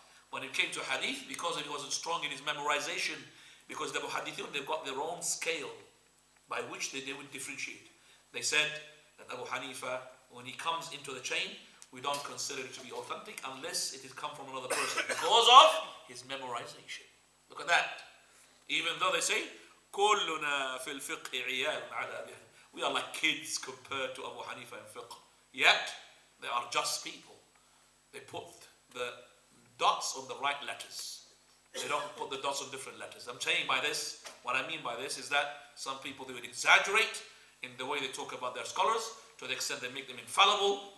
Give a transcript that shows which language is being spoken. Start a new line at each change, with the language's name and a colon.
English: When it came to hadith, because he wasn't strong in his memorization, because the muhadithun, they've got their own scale by which they would differentiate. They said that Abu Hanifa, when he comes into the chain, we don't consider it to be authentic unless it has come from another person because of his memorization. Look at that. Even though they say,
Arabic: كلنا في الفقه عيال على أبيه.
English: We are like kids compared to Abu Hanifa in fiqh. Yet, they are just people. They put the dots on the right letters. They don't put the dots on different letters. I'm saying by this, what I mean by this is that some people, they would exaggerate in the way they talk about their scholars, to the extent they make them infallible.